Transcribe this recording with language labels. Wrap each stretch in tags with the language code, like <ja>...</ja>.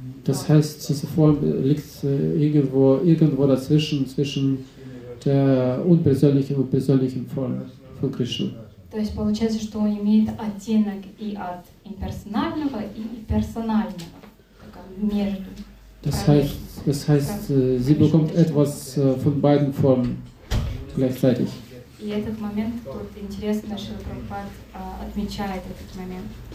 <de>Das heißt, diese Form liegt irgendwo dazwischen, zwischen der unpersönlichen und persönlichen Form von Krishna.</de> <ru>То есть получается, что он имеет оттенок и от имперсонального, и персонального, между.</ru> <de>Das heißt, sie bekommt etwas von beiden Formen gleichzeitig.</de> <ru>И этот момент, тут интересно, Шрила Прабхупада отмечает этот момент.</ru>